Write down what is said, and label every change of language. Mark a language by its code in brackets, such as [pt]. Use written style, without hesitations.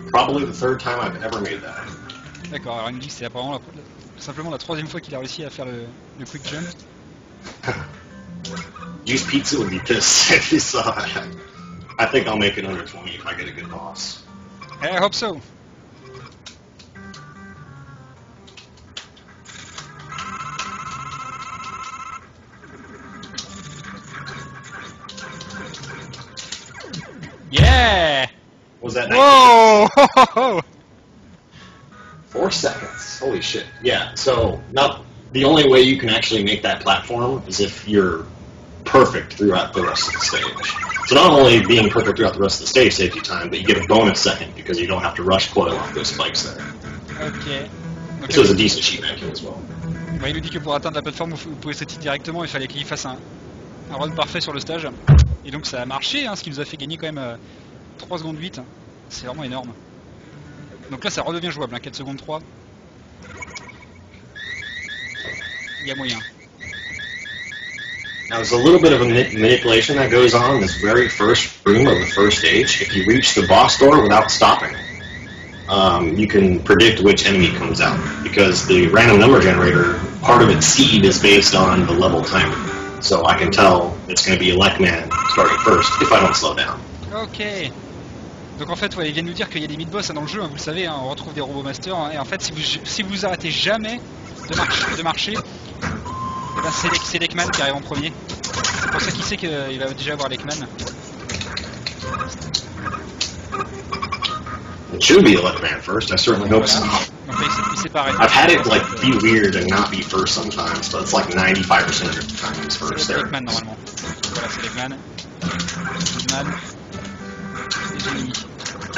[en] Probably the third time I've ever made that. [fr] D'accord, alors il me dit que c'est apparemment simplement la troisième fois qu'il a réussi à faire le quick jump. [en] Use pizza would be pissed if he saw it. I think I'll make it under 20 if I get a good boss. I hope so. Yeah! Was that nice? Whoa! Four seconds. Holy shit. Yeah, so now the only way you can actually make that platform is if you're perfect throughout the rest of the stage. So not only being perfect throughout the rest of the stage saves you time, but you get a bonus second because you don't have to rush quite along those spikes there. Okay. This was a decent cheat man kill as well. [fr] Bah, il nous dit que pour atteindre la plateforme, vous pouvez sauter directement, il fallait qu'il fasse un run parfait sur le stage. Et donc ça a marché, hein, ce qui nous a fait gagner quand même 3 secondes 8. C'est vraiment énorme. Donc là, ça redevient jouable, hein, 4 secondes 3. Il y a moyen. [en] Now, there's a little bit of a manipulation that goes on in this very first room of the first stage. If you reach the boss door without stopping, you can predict which enemy comes out. Because the random number generator, part of its seed is based on the level timer. So I can tell it's going to be a Lekman starting first if I don't slow down. Okay. [fr] Donc en fait, ouais, ils viennent nous dire qu'il y a des mid-boss dans le jeu, hein, vous le savez, hein, on retrouve des robots masters. Hein, et en fait, si vous arrêtez jamais de marcher, et ben c'est Lekman qui arrive en premier. C'est pour ça qu'il sait qu'il va déjà avoir Lekman. [en] It should be a Lekman first, I certainly hope so. [fr] En fait, il s'est pas arrêté. [en] I've had it like be weird and not be first sometimes, but it's like 95% of the times first there. [fr] C'est Lekman normalement. Voilà, c'est Lekman. Lekman.